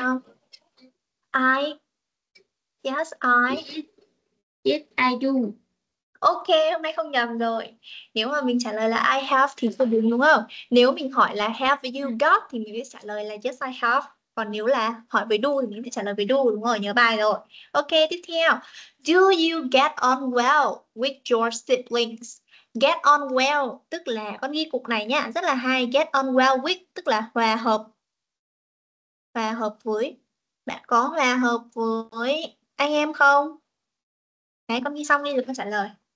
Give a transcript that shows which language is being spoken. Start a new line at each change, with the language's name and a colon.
English: không? I. Yes, I. Yes, I do.
Vietnamese: Ok, hôm nay không nhầm rồi. Nếu mà mình trả lời là
English: I have
Vietnamese: thì không đúng đúng không? Nếu mình hỏi là
English: have you got
Vietnamese: thì mình sẽ trả lời là
English: yes I have.
Vietnamese: Còn nếu là hỏi với do thì mình sẽ trả lời với do, đúng rồi, nhớ bài rồi. Ok, tiếp theo.
English: Do you get on well with your siblings? Get on well
Vietnamese: tức là con ghi cục này nhá, rất là hay.
English: Get on well with
Vietnamese: tức là hòa hợp. Hòa hợp với. Bạn có hòa hợp với anh em không? Đấy, con ghi xong đi rồi con trả lời.